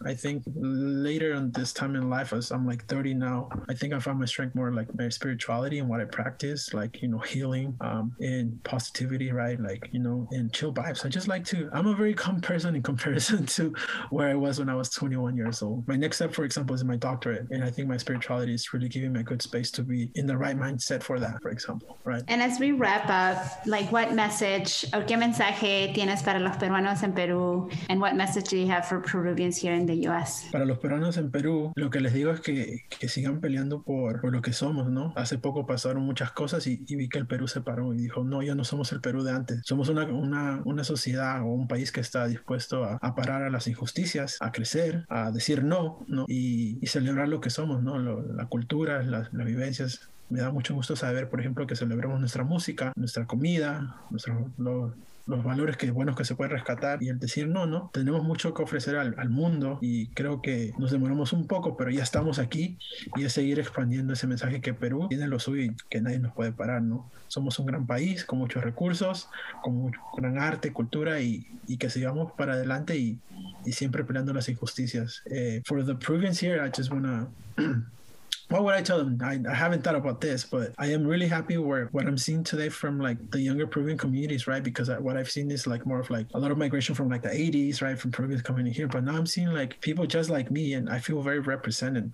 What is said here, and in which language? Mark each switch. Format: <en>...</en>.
<en>I think later on this time in life, as I'm like 30 now, I think I found my strength more like my spirituality and what I practice, like, you know, healing and positivity, right? Like, you know, and chill vibes. I'm a very calm person in comparison to where I was when I was 21 years old. My next step, for example, is my doctorate. And I think my spirituality is really giving me a good space to be in the right mindset for that, for example, right? And as we wrap up, like, what message or</en> <es>qué mensaje tienes para los peruanos en Perú?</es> <en>And what message do you have for Peruvians here in the US?</en> <es>Para los peruanos en Perú, lo que les digo es que sigan peleando por lo que somos, ¿no? Hace poco pasaron muchas cosas y vi que el Perú se paró y dijo, no, ya no somos el Perú de antes. Somos una sociedad o un país que está dispuesto a parar a las injusticias, a crecer, a decir no, ¿no? Y celebrar lo que somos, ¿no? La cultura, las vivencias. Me da mucho gusto saber, por ejemplo, que celebramos nuestra música, nuestra comida, nuestro... Lo, los valores que buenos que se puede rescatar y el decir no, no, tenemos mucho que ofrecer al mundo y creo que nos demoramos un poco, pero ya estamos aquí y es seguir expandiendo ese mensaje que Perú tiene lo suyo y que nadie nos puede parar, ¿no? Somos un gran país con muchos recursos, con mucho, gran arte, cultura y que sigamos para adelante y siempre peleando las injusticias.</es> <en>For the Peruvians here, I just wanna... What would I tell them? I haven't thought about this, but I am really happy with what I'm seeing today from like the younger Peruvian communities, right? Because what I've seen is like more of like a lot of migration from like the 80s, right? From Peruvians coming in here. But now I'm seeing like people just like me and I feel very represented.</en>